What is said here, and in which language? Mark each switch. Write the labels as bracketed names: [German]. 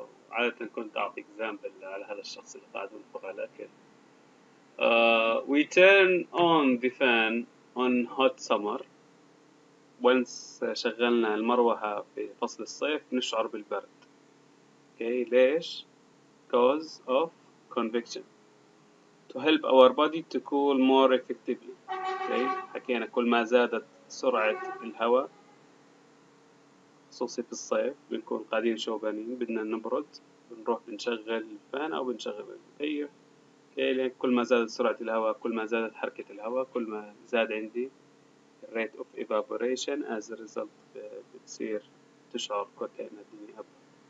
[Arabic] عادة كنت اعطي اكزامبل على هذا الشخص اللي قاعد ينفخ على الاكل. [English] We turn on the fan on hot summer. [Arabic] Once شغلنا المروحة في فصل الصيف نشعر بالبرد. [English] Okay, [Arabic] ليش؟ [English] Cause of convection. To help our body to cool more effectively. [Arabic] Okay, حكينا كل ما زادت سرعة الهواء خصوصي في الصيف بنكون قاعدين شوبانين بدنا نبرد، بنروح بنشغل الفان أو بنشغل المكيف. كل ما زادت سرعة الهواء، كل ما زادت حركة الهواء، كل ما زاد عندي [English] rate of evaporation، as a result [Arabic] بتصير تشعر كأن الدنيا أبرد.